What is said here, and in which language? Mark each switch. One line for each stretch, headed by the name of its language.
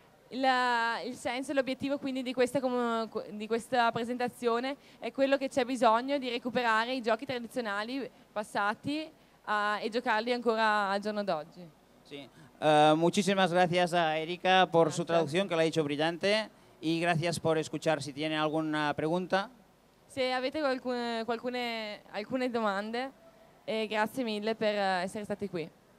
Italian: Il senso e l'obiettivo quindi di questa presentazione è quello che c'è bisogno di recuperare i giochi tradizionali passati e giocarli ancora al giorno d'oggi.
Spanish: Sí. Muchísimas gracias a Erika por gracias. Su traducción, que
Italian: l'ha
Spanish: dicho brillante. Y gracias por escuchar. Si tiene alguna pregunta.
Italian: Se avete alcune domande, grazie mille per essere stati qui.